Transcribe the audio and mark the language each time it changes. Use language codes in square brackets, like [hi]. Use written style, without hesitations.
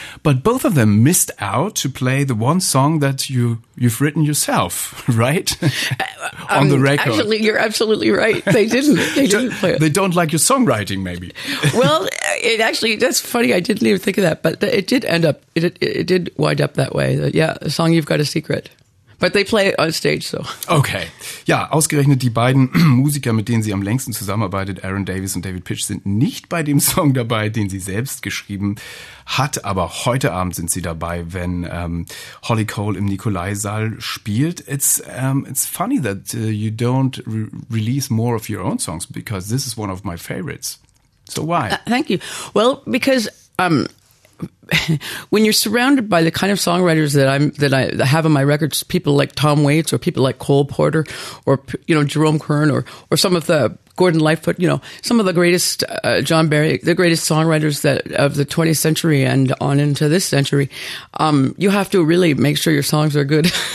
[en] But both of them missed out to play the one song that you've written yourself, right? On the record. Actually, you're absolutely right. They didn't. They didn't play it. They don't like your songwriting, maybe. Well, it actually, that's funny. I didn't even think of that. But it did end up, it did wind up that way. Yeah, the song You've Got a Secret. But they play it on stage, so. Okay. [de] Ja, ausgerechnet die beiden Musiker, mit denen sie am längsten zusammenarbeitet, Aaron Davis und David Pitch, sind nicht bei dem Song dabei, den sie selbst geschrieben hat. Aber heute Abend sind sie dabei, wenn Holly Cole im Nikolai-Saal spielt. [en] It's funny that you don't release more of your own songs, because this is one of my favorites. So why? Thank you. Well, because when you're surrounded by the kind of songwriters that I have on my records, people like Tom Waits or people like Cole Porter or, you know, Jerome Kern or some of the Gordon Lightfoot, you know, some of the greatest, John Barry, the greatest songwriters that of the 20th century and on into this century, you have to really make sure your songs are good.